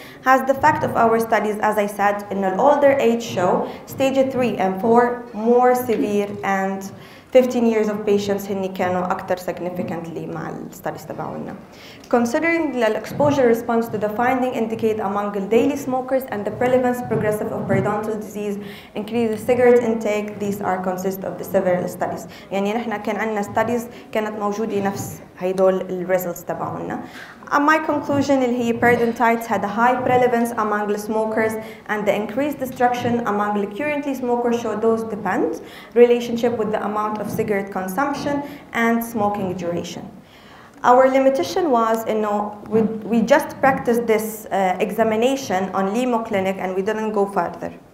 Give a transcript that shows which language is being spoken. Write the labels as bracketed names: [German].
[English] As the fact of our studies, as I said, in an older age show stage 3 and 4 more severe and 15 years of patients [Arabic] هني كانوا أكثر [English] significantly [Arabic] مع الستاديس تبعونا. [English] Considering the exposure response to the finding indicate among the daily smokers and the prevalence progressive of periodontal disease increase the cigarette intake, these are consist of the several studies. [Arabic] يعني نحنا كان عندنا studies كانت موجودة نفس هيدول ال results تبعونا. [English] My conclusion [Arabic] اللي هي [English] periodontitis had a high prevalence among the smokers and the increased destruction among the currently smokers show those depend relationship with the amount of cigarette consumption and smoking duration. Our limitation was, you know, we just practiced this examination on Limo Clinic and we didn't go further.